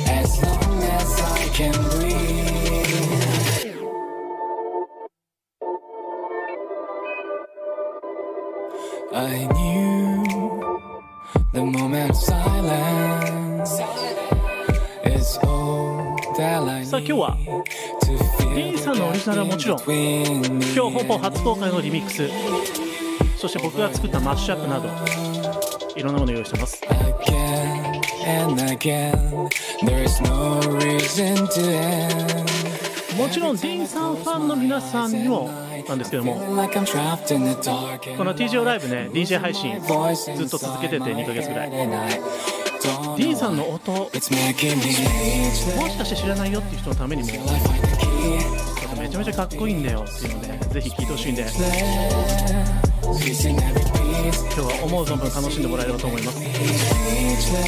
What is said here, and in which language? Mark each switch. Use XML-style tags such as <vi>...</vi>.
<en>As long as I can breathe. I knew the moment of silence is all that I need to feel.</en> <ja>D さんのオリジナルはもちろん、今日ほぼ初公開のリミックス、そして僕が作ったマッシュアップなど、いろんなものを用意してます。</ja> <en>Again and again, there is no reason to end。</en> <ja>もちろんディーンさんファンの皆さんにもなんですけども、この TGO ライブね、 DJ 配信ずっと続けてて2ヶ月ぐらい、ディーンさんの音もしかして知らないよっていう人のためにも、めちゃめちゃかっこいいんだよっていうので、ね、ぜひ聴いてほしいんで、今日は思う存分楽しんでもらえればと思います。</ja>